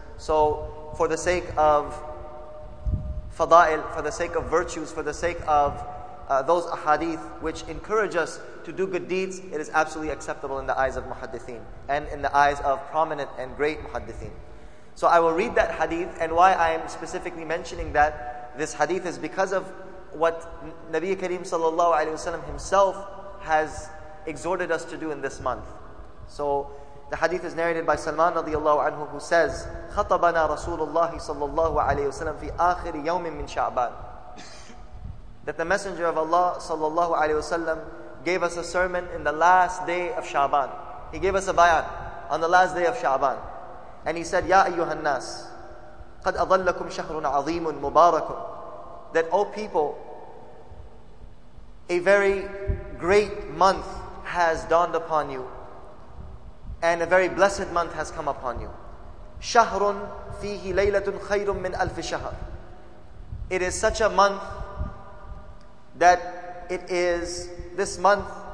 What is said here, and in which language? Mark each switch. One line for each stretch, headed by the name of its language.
English: So for the sake of fada'il, for the sake of virtues, for the sake of those ahadith which encourage us to do good deeds, it is absolutely acceptable in the eyes of muhaddithin and in the eyes of prominent and great muhaddithin. So I will read that hadith, and why I am specifically mentioning that this hadith is because of what Nabi Kareem sallallahu alaihi wasallam himself has exhorted us to do in this month. So the hadith is narrated by Salman radiyallahu anhu, who says,
Arabic: خَطَبَنَا رَسُولُ اللَّهِ صَلَّى اللَّهُ عَلَيْهِ وَسَلَمَ فِي آخِرِ يَوْمٍ مِّن شَعْبَانِ.
English: That the Messenger of Allah sallallahu alaihi wasallam gave us a sermon in the last day of Sha'ban. He gave us a bayan on the last day of Sha'ban. And he said,
Arabic: يَا أَيُّهَا النَّاسِ قَدْ أَضَلَّكُمْ شَهْرٌ عَظِيمٌ مُبَارَكٌ.
English: That, O people, a very great month has dawned upon you, and a very blessed month has come upon you.
Arabic: شَهْرٌ فِيهِ لَيْلَةٌ خَيْرٌ مِّنْ أَلْفِ شَهْرٍ.
English: It is such a month that it is this month.